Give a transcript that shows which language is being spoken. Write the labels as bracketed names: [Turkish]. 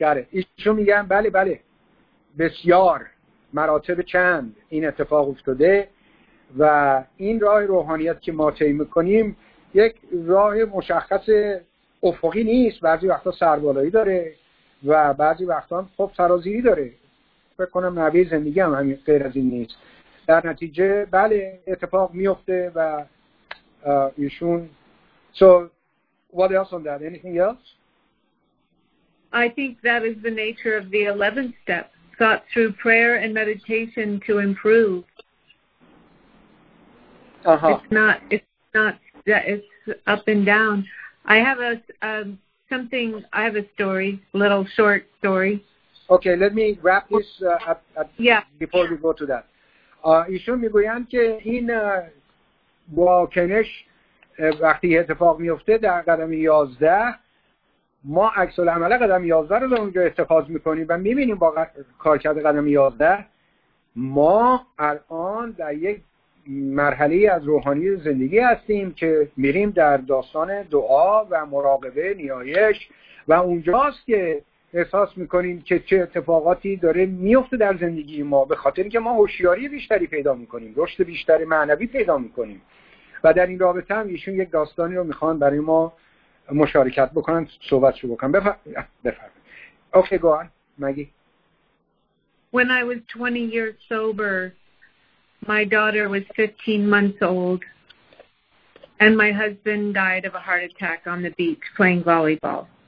[Persian] ایشون میگن بله بله، بسیار مراتب چند این اتفاق افتاده و این راه روحانیت که ما طی میکنیم یک راه مشخص افقی نیست، بعضی وقتا سربالایی داره و بعضی وقتا خوب سرازیری داره. فکر کنم نوی زندگی هم همین غیر از این نیست. در نتیجه بله اتفاق میفته و ایشون. [English] So what else on that? Anything else? I think that is the nature of the 11th step, sought through prayer and meditation to improve. It's up and down. I have a story, little short story. Okay, let me wrap this before we go to that. [Persian] ایشون میگویند که این واکنش وقتی اتفاق میفته در قدم 11، ما عکس العمل قدم 11 رو در اونجا اتخاذ میکنیم و میبینیم با کارکرد قدم 11 ما الان در یک مرحله از روحانی زندگی هستیم که میریم در داستان دعا و مراقبه نیایش و اونجاست که احساس میکنیم که چه اتفاقاتی داره میفته در زندگی ما، به خاطر اینکه ما هوشیاری بیشتری پیدا میکنیم، رشد بیشتر معنوی پیدا میکنیم. و در این رابطه هم ایشون یک داستانی رو میخوان برای ما مشارکت بکنن، صحبت شو بکنن. بفرمایید. [English] Okay go on Maggie. When I was 20 years sober, my daughter was 15 months old and my husband died of a heart attack on the beach playing volleyball.